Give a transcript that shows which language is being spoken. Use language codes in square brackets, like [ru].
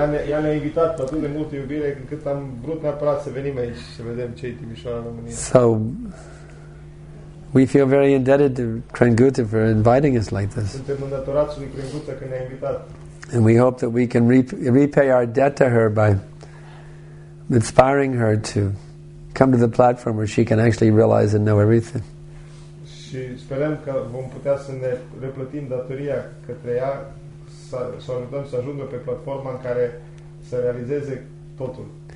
[ro] Ea ne-a invitat pe atât de multă iubire încât am vrut neapărat să venim aici să vedem ce e Timișoara, România. [en] So, we feel very indebted to Crenguta for inviting us like this. [ro] Suntem îndatorați lui Crenguta că ne-a invitat. [en] And we hope that we can repay our debt to her by inspiring her to come to the platform where she can actually realize and know everything. [ro] Și sperăm că vom putea să ne replătim datoria către ea, să ajutăm să ajungă pe platforma în care să realizeze totul.